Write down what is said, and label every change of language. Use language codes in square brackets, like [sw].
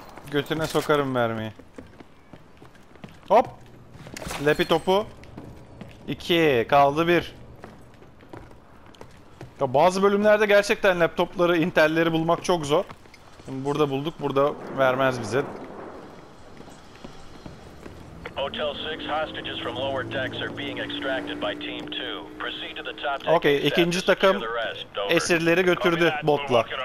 [tr] Götüne sokarım mermiyi. Hop! Lepi topu. 2 kaldı, 1. Ya bazı bölümlerde gerçekten laptopları, intelleri bulmak çok zor. Şimdi burada bulduk, burada vermez bize. [en] Hotel 6 hostages from lower decks are being extracted by team 2. Proceed to the top deck. [tr] Okay, ikinci takım esirleri götürdü botla.